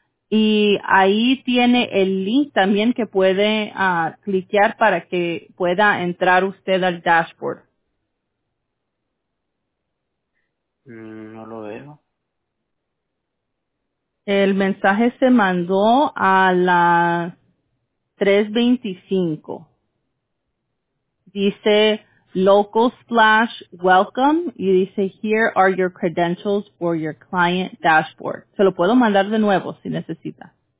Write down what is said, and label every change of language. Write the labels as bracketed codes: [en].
[es] Y ahí tiene el link también que puede cliquear para que pueda entrar usted al dashboard. No lo veo. El mensaje se mandó a las 3:25. Dice local/welcome y dice [en] here are your credentials for your client dashboard. [es] Se lo puedo mandar de nuevo si necesita.